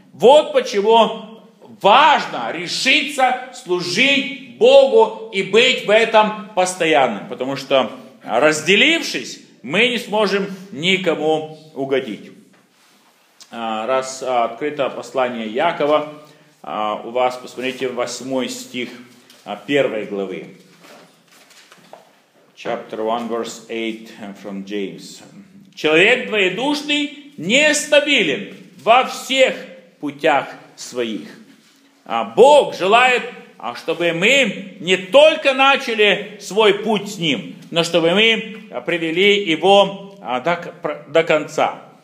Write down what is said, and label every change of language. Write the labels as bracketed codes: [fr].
[ru] Вот почему важно решиться служить Богу и быть в этом постоянным, потому что разделившись, мы не сможем никому угодить. Раз открыто послание Якова, у вас, посмотрите, 8 стих 1 главы. [en] Chapter 1, verse 8 from James. [ru] Человек двоедушный нестабилен во всех путях своих. А Бог желает, чтобы мы не только начали свой путь с Ним, но чтобы мы привели его до конца.